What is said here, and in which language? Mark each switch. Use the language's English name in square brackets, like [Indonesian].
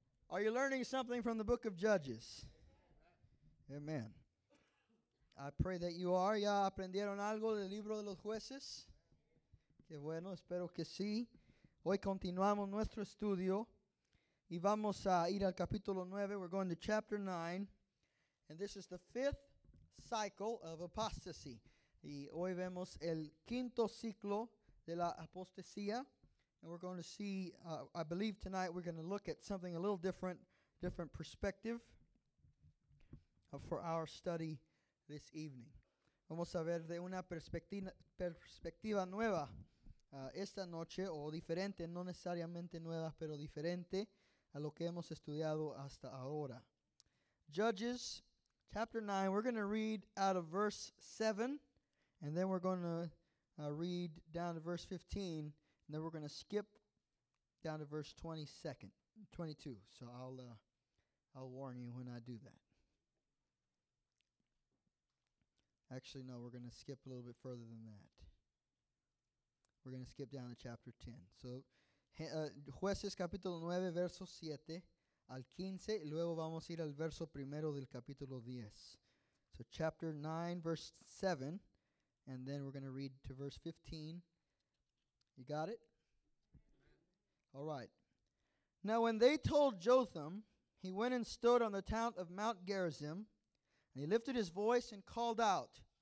[English] Are you learning something from the book of Judges? Amen. I pray that you are. [Spanish] ¿Ya aprendieron algo del libro de los jueces? Qué bueno, espero que sí. Hoy continuamos nuestro estudio. Y vamos a ir al capítulo 9. [English] We're going to chapter 9. And this is the fifth cycle of apostasy. [Spanish] Y hoy vemos el quinto ciclo de la apostasía. [English] And we're going to see, I believe tonight we're going to look at something a little different perspective for our study this evening. [Spanish] Vamos a ver de una perspectiva nueva esta noche, o diferente, no necesariamente nueva, pero diferente a lo que hemos estudiado hasta ahora. [English] Judges, chapter 9, we're going to read out of verse 7, and then we're going to read down to verse 15, and then we're going to skip down to verse 22. So I'll warn you when I do that. Actually, no, we're going to skip a little bit further than that. We're going to skip down to chapter 10. [Spanish] So, Jueces capítulo 9, verso 7 al 15, y luego vamos a ir al verso primero del capítulo 10. [English] So chapter 9, verse 7, and then we're going to read to verse 15. You got it? All right. Now when they told Jotham, he went and stood on the town of Mount Gerizim, and he lifted his voice and called out.